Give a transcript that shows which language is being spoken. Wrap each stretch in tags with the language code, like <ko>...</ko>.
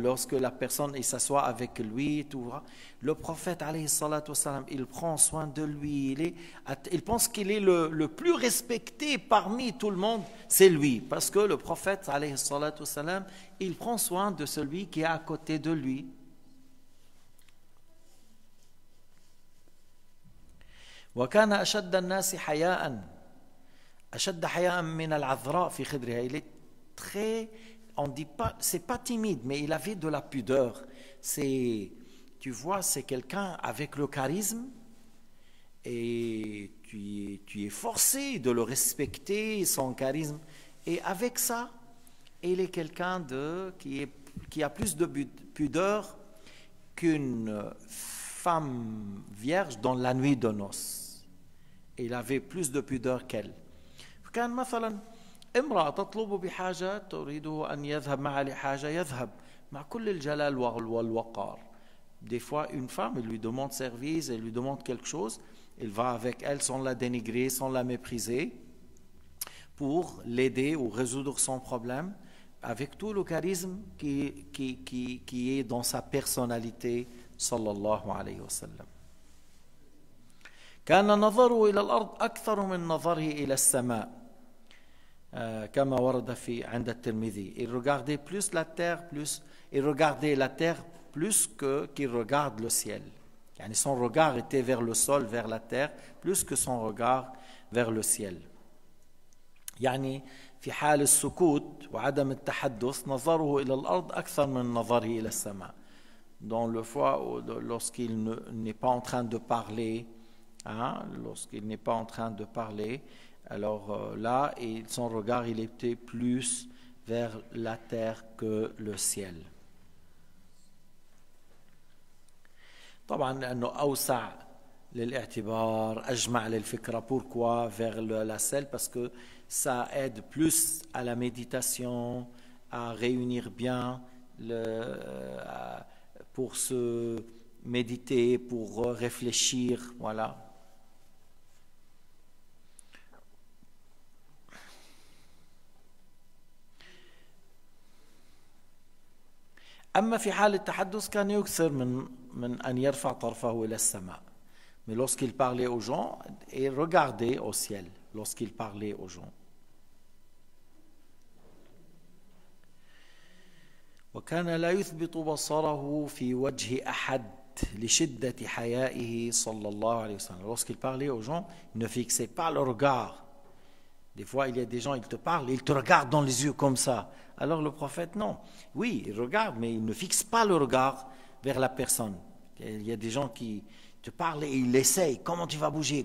<fr>Lorsque la personne il s'assoit avec lui, le prophète</fr> <ar>عليه الصلاة والسلام</ar> <fr>il prend soin de lui. Il pense qu'il est le plus respecté parmi tout le monde, c'est lui. Parce que le prophète</fr> <ar>عليه الصلاة والسلام</ar> <fr>il prend soin de celui qui est à côté de lui.</fr> <ar>وكان أشد الناس حياء أشد حياء من العذراء في خدرها.</ar> <fr>Il est très, on dit pas, c'est pas timide, mais il avait de la pudeur. C'est, tu vois, c'est quelqu'un avec le charisme et tu es forcé de le respecter, son charisme. Et avec ça, il est quelqu'un qui a plus de pudeur qu'une femme vierge dans la nuit de noces. Il avait plus de pudeur qu'elle.</fr> <ar>كان مثلا امرأة تطلب بحاجة تريد أن يذهب معها لحاجة يذهب مع كل الجلال والوقار.</ar> <fr>Des fois une femme lui demande service, elle lui demande quelque chose, il va avec elle sans la dénigrer, sans la mépriser, pour l'aider ou résoudre son problème avec tout le charisme qui est dans sa personnalité</fr> <ar>sallallahu alayhi wa sallam. كان نظره إلى الأرض أكثر من نظره إلى السماء كما ورد في عند الترمذي.</ar> <fr>Il regardait plus la terre plus il regardait la terre plus que qu'il regarde le ciel. يعني son regard était vers le sol vers la terre plus que son regard vers le ciel.</fr> <ar>يعني في حال السكوت وعدم التحدث نظره إلى الأرض أكثر من نظره إلى السماء.</ar> <fr>Dans le fois où, lorsqu'il n'est pas en train de parler, hein, lorsqu'il n'est pas en train de parler, alors là, il, son regard, il était plus vers la terre que le ciel.</fr> <ar>طبعاً لأنه أوسع للاعتبار أجمع للفكرة.</ar> <fr>Pourquoi vers la selle? Parce que ça aide plus à la méditation, à réunir bien le pour se méditer, pour réfléchir, voilà.</fr> <ar>أما في حال التحدث كان يكثر من أن يرفع طرفه إلى السماء.</ar> <fr>Mais lorsqu'il parlait aux gens, il regardait au ciel lorsqu'il parlait aux gens.</fr> <ar>وكان لا يثبط بصره في وجه أحد لشدة حيائه صلى الله عليه وسلم.</ar> <fr>Lorsqu'il parlait aux gens, il ne fixait pas le regard. Des fois, il y a des gens, ils te parlent, ils te regardent dans les yeux comme ça. Alors le prophète, non. Oui, il regarde, mais il ne fixe pas le regard vers la personne. Il y a des gens qui te parlent et ils essayent. Comment tu vas bouger?</fr>